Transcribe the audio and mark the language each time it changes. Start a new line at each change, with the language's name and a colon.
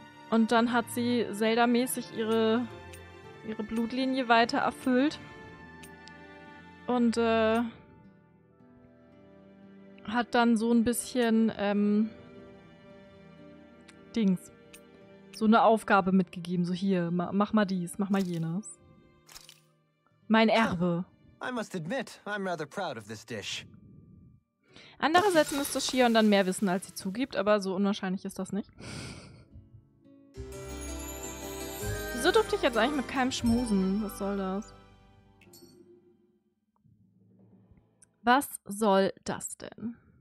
German: Und dann hat sie Zelda-mäßig ihre Blutlinie weiter erfüllt. Und hat dann so ein bisschen Dings. So eine Aufgabe mitgegeben. So hier, mach mal dies, mach mal jenes. Mein Erbe.
English: I must admit, I'm rather proud of this dish.
German: Andererseits müsste Shion dann mehr wissen, als sie zugibt, aber so unwahrscheinlich ist das nicht. Wieso durfte ich jetzt eigentlich mit keinem schmusen? Was soll das? Was soll das denn?